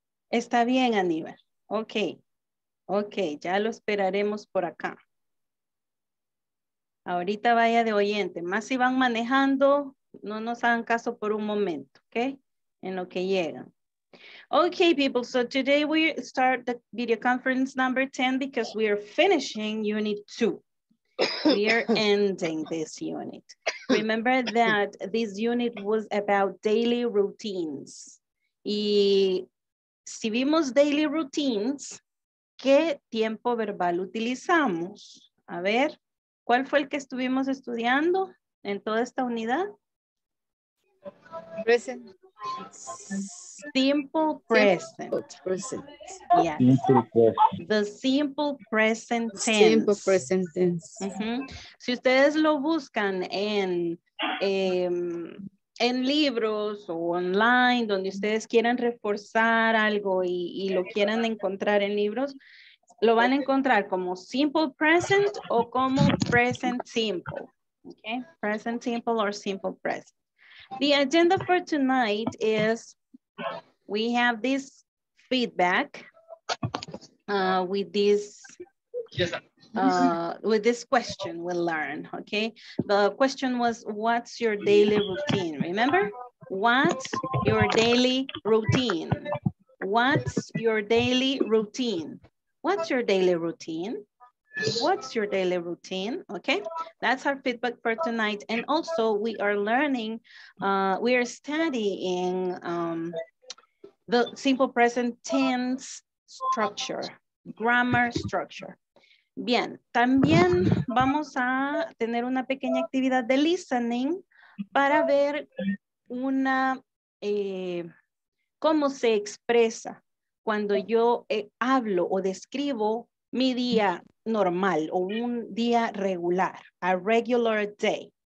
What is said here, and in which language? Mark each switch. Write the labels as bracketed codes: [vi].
[es] Está bien, Aníbal. Ok. Ok, ya lo esperaremos por acá. Ahorita vaya de oyente. Más si van manejando, no nos hagan caso por un momento, ¿ok? En lo que llegan. [en] Okay, people, so today we start the video conference number 10 because we are finishing unit 2. We are ending this unit. Remember that this unit was about daily routines. [es] Y si vimos daily routines, ¿qué tiempo verbal utilizamos? A ver, ¿cuál fue el que estuvimos estudiando en toda esta unidad? [en] Present. Simple present. The simple present tense. Simple present tense. [es] Si ustedes lo buscan en libros o online, donde ustedes quieran reforzar algo y lo quieran encontrar en libros, lo van a encontrar como simple present o como present simple. [en] Okay? Present simple or simple present. The agenda for tonight is we have this feedback with this question we learn, okay? The question was, what's your daily routine? Remember? What's your daily routine? What's your daily routine? What's your daily routine? What's your daily routine? Okay, that's our feedback for tonight. And also we are learning, we are studying the simple present tense structure, grammar structure. [es] Bien, también vamos a tener una pequeña actividad de listening para ver una, cómo se expresa cuando yo hablo o describo mi día normal o un día regular, [en] a regular day.